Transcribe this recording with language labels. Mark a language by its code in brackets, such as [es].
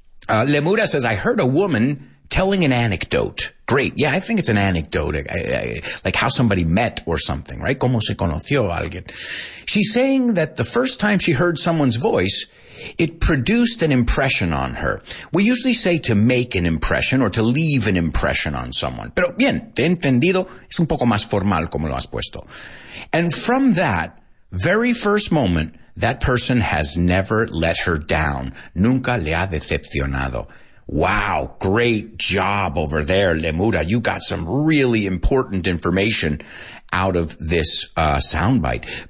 [en] Lemura says, I heard a woman telling an anecdote. Great. Yeah, I think it's an anecdote, like how somebody met or something, right? [es] ¿Cómo se conoció alguien? [en] She's saying that the first time she heard someone's voice, it produced an impression on her. We usually say to make an impression or to leave an impression on someone. [es] Pero bien, te he entendido, es un poco más formal como lo has puesto. [en] And from that very first moment, that person has never let her down. [es] Nunca le ha decepcionado. [en] Wow, great job over there, Lemura. You got some really important information out of this soundbite.